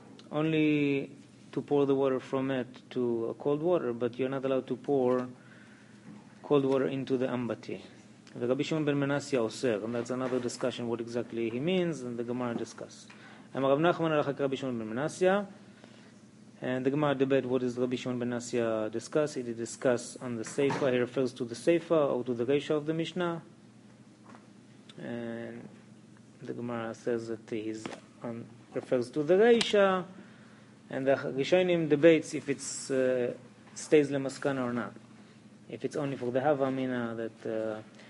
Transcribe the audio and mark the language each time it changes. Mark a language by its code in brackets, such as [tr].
[en] Only to pour the water from it to a cold water, but you're not allowed to pour cold water into the אמבטי. [he] ורבי שמעון בן מנסיה אוסר, [en] and that's another discussion what exactly he means, and the Gemara discuss. [he] אמר רב נחמן הלכה כרבי שמעון בן מנסיה, [en] and the Gemara debate what is רבי שמעון בן מנסיה discuss. He did discuss on the Seifa, he refers to the Seifa or to the Reisha of the Mishnah, and the Gemara says that refers to the Reisha, and the Rishonim debates if it stays Lemaskana or not, if it's only for the Hava Amina that...